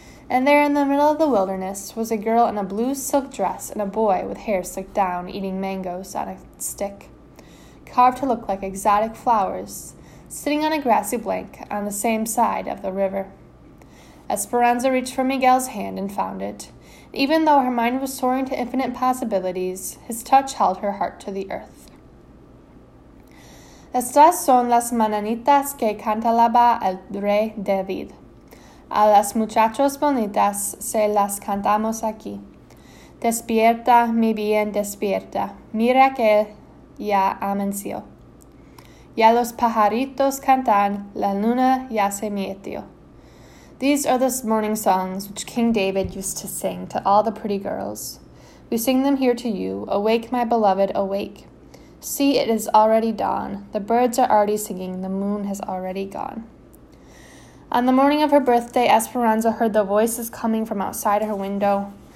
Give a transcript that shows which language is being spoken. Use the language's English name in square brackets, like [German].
[English] And there in the middle of the wilderness was a girl in a blue silk dress and a boy with hair slicked down, eating mangoes on a stick, carved to look like exotic flowers, sitting on a grassy bank on the same side of the river. Esperanza reached for Miguel's hand and found it. Even though her mind was soaring to infinite possibilities, his touch held her heart to the earth. [Spanish] Estas son las mananitas que cantaba el rey David. A las muchachas bonitas se las cantamos aquí. Despierta, mi bien, despierta. Mira que ya amaneció. Ya los pajaritos cantan, la luna ya se metió. [English] These are the morning songs which King David used to sing to all the pretty girls. We sing them here to you. Awake, my beloved, awake. See, it is already dawn. The birds are already singing. The moon has already gone. On the morning of her birthday, Esperanza heard the voices coming from outside her window.